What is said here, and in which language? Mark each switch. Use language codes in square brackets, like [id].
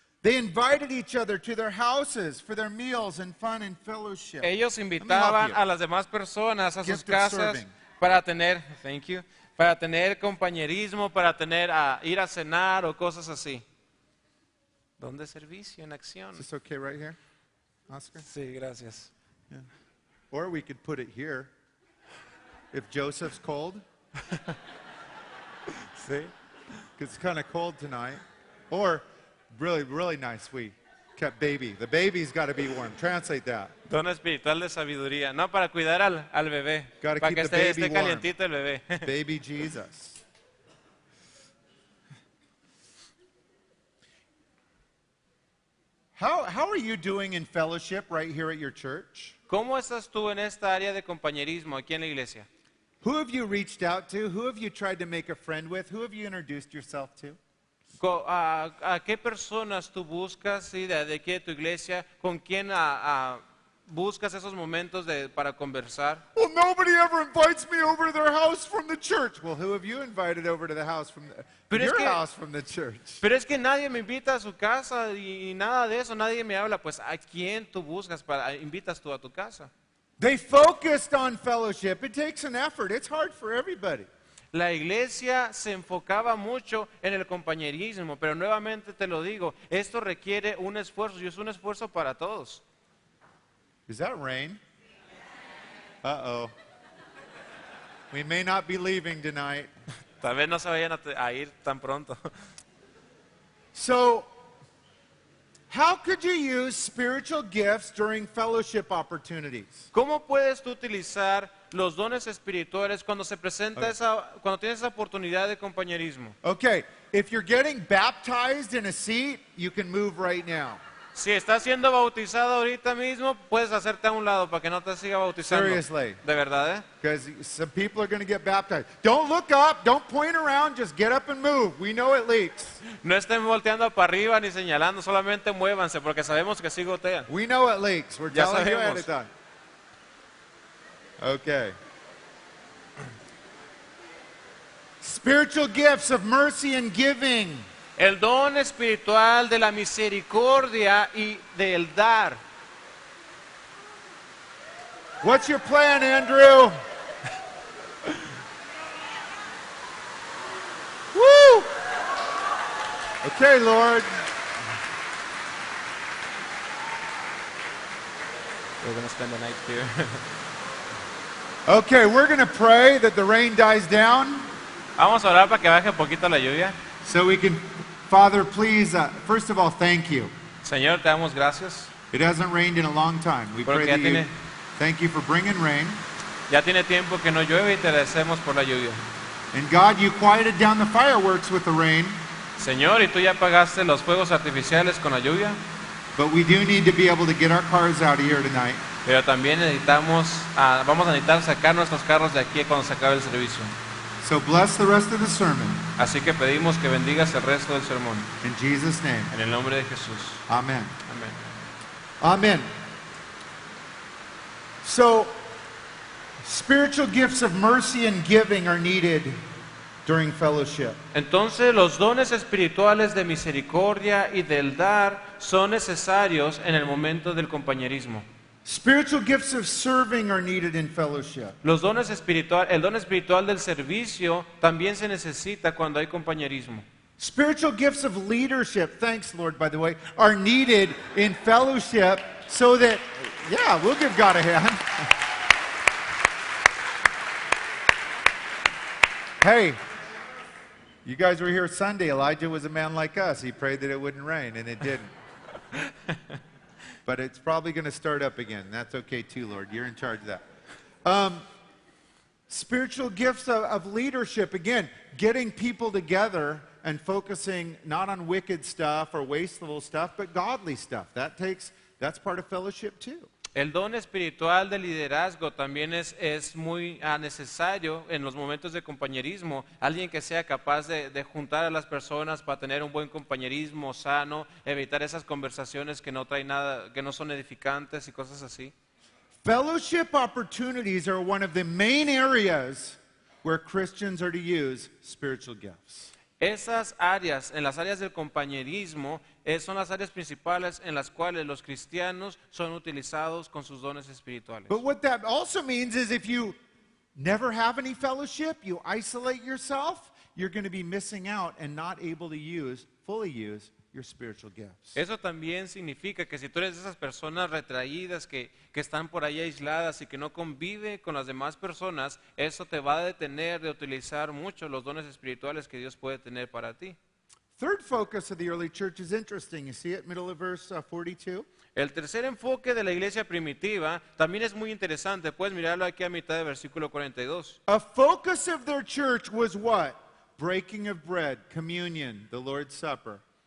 [en] They invited each other to their houses for their meals and fun and fellowship. [es] Ellos invitaban a las demás personas a sus casas para tener, [en] thank you, [es] para tener compañerismo, para tener a ir a cenar o cosas así. ¿Dónde servicio en acción? [en] Is this okay right here, Oscar? [es] Sí, gracias. [en] Yeah. Or we could put it here if Joseph's cold. [es] Sí. [en] It's kind of cold tonight. Or really, really nice. We kept baby. The baby's got to be warm. Translate that. [es] Don espiritual de sabiduría. No, para cuidar al bebé. [en] Got to keep [es] que [en] the baby [es] esté calientito [en] warm. [es] El bebé. [en] Baby Jesus. How are you doing in fellowship right here at your church? [es] ¿Cómo estás tú en esta área de compañerismo aquí en la iglesia? [en] Who have you reached out to? Who have you tried to make a friend with? Who have you introduced yourself to? [es] ¿A qué personas tú buscas de aquí de tu iglesia? ¿Con quién buscas esos momentos para conversar? [en] Well, nobody ever invites me over to their house from the church. Well, who have you invited over to the house from house from the church? [es] Pero es que nadie me invita a su casa y nada de eso. Nadie me habla. Pues, ¿a quién tú buscas para invitas tú a tu casa? [en] They focused on fellowship. It takes an effort. It's hard for everybody. [es] La iglesia se enfocaba mucho en el compañerismo, pero nuevamente te lo digo, esto requiere un esfuerzo, y es un esfuerzo para todos. [en] Is that rain? Uh-oh. We may not be leaving tonight. [es] Tal vez no se vayan a ir tan pronto. [en] So, how could you use spiritual gifts during fellowship opportunities? ¿Cómo puedes tú utilizar los dones espirituales cuando se presenta okay. Cuando tienes esa oportunidad de compañerismo? Okay, if you're getting baptized in a seat, you can move right now. [es] Si estás siendo bautizado ahorita mismo, puedes hacerte a un lado para que no te siga bautizando. [en] Seriously. [es] De verdad, ¿eh? [en] Because some people are going to get baptized. Don't look up, don't point around, just get up and move. We know it leaks. [es] No estén volteando para arriba ni señalando, solamente muévanse porque sabemos que sí gotean. [en] We know it leaks. We're [es] ya [en] telling [es] sabemos. [en] You anything. Okay. Spiritual gifts of mercy and giving. [es] El don espiritual de la misericordia y del dar. [en] What's your plan, Andrew? Woo! Okay, Lord. We're going to spend the night here. Okay, we're going to pray that the rain dies down. [es] Vamos a orar para que baje un poquito la lluvia. [en] So we can, Father, please, first of all, thank you. [es] Señor, te damos gracias. [en] It hasn't rained in a long time. We pray that you, thank you for bringing rain. [es] Ya tiene tiempo que no llueve y te agradecemos por la lluvia. [en] And God, you quieted down the fireworks with the rain. [es] Señor, y tú ya apagaste los fuegos artificiales con la lluvia. [en] But we do need to be able to get our cars out of here tonight. [es] Pero también necesitamos, vamos a necesitar sacar nuestros carros de aquí cuando se acabe el servicio. [en] So bless the rest of the sermon. [es] Así que pedimos que bendigas el resto del sermón. [en] In Jesus' name. [es] En el nombre de Jesús. [en] Amen. Amen. Amen. So, spiritual gifts of mercy and giving are needed during fellowship. [es] Entonces, los dones espirituales de misericordia y del dar son necesarios en el momento del compañerismo. [en] Spiritual gifts of serving are needed in fellowship. [es] Los dones espiritual, el don espiritual del servicio también se necesita cuando hay compañerismo. [en] Spiritual gifts of leadership, thanks Lord, by the way, are needed in fellowship so that, yeah, we'll give God a hand. Hey, you guys were here Sunday. Elijah was a man like us. He prayed that it wouldn't rain and it didn't. But it's probably going to start up again. That's okay too, Lord. You're in charge of that. Spiritual gifts of leadership. Again, getting people together and focusing not on wicked stuff or wasteful stuff, but godly stuff. That's part of fellowship too. [es] El don espiritual de liderazgo también es muy necesario en los momentos de compañerismo. Alguien que sea capaz de juntar a las personas para tener un buen compañerismo sano, evitar esas conversaciones que no traen nada, que no son edificantes y cosas así. [en] Fellowship opportunities are one of the main areas where Christians are to use spiritual gifts. [es] Esas áreas, en las áreas del compañerismo, son las áreas principales en las cuales los cristianos son utilizados con sus dones espirituales. [en] But what that also means is if you never have any fellowship, you isolate yourself, you're going to be missing out and not able to fully use your spiritual gifts. [es] Eso también significa que si tú eres de esas personas retraídas que están por ahí aisladas y que no convive con las demás personas, eso te va a detener de utilizar mucho los dones espirituales que Dios puede tener para ti. [en] Third focus of the early church is interesting. You see it, middle of verse 42. [es] El tercer enfoque de la iglesia primitiva también es muy interesante. Puedes mirarlo aquí a mitad de versículo 42. [en] A focus of their church was what? Breaking of bread, communion, the Lord's Supper.